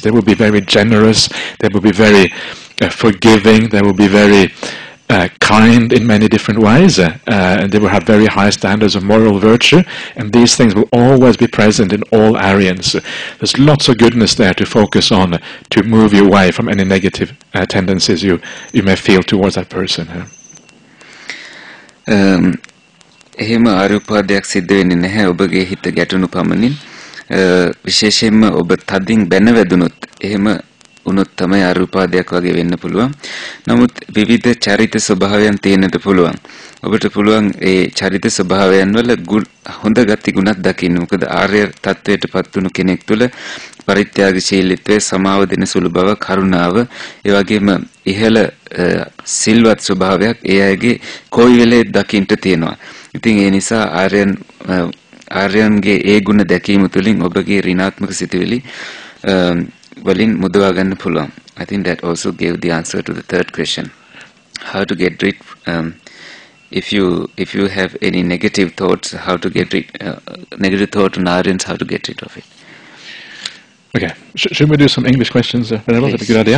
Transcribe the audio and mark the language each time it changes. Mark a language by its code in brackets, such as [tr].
[en] They will be very generous, they will be very forgiving, they will be very kind in many different ways, and they will have very high standards of moral virtue, and these things will always be present in all Aryans. There's lots of goodness there to focus on to move you away from any negative tendencies you may feel towards that person. [si] එහෙම ආරෝපාදයක් සිද්ධ වෙන්නේ නැහැ ඔබගේ හිත ගැටුණු පමණින් විශේෂයෙන්ම ඔබ තදින් බැන වැදුනොත් එහෙම උනොත් තමයි ආරෝපාදයක් වගේ වෙන්න පුළුවන් නමුත් විවිධ චරිත ස්වභාවයන් තියෙන්නත් පුළුවන් ඔබට පුළුවන් ඒ චරිත ස්වභාවයන් වල හොඳ ගති ගුණත් දකින්න මොකද ආර්ය තත්වයට පත්වුණු කෙනෙක් තුළ පරිත්‍යාගශීලීත්වය සමාව දෙන සුළු බව කරුණාව ඒ වගේම ඉහළ සිල්වත් ස්වභාවයක් ඒ අයගේ කොයි වෙලේ දකින්න තියෙනවා ඉතින් ඒ නිසා ආර්යන්ගේ ඒ ගුණ දැකීම තුළින් ඔබගේ ඍණාත්මක සිතුවිලි වලින් මුදවා ගන්න පුළුවන්. [en] I think that also gave the answer to the third question. How to get rid if you have any negative thoughts, how to get rid negative thought on Aryans, how to get rid of it. Okay, should we do some English questions? Please, that's a good idea.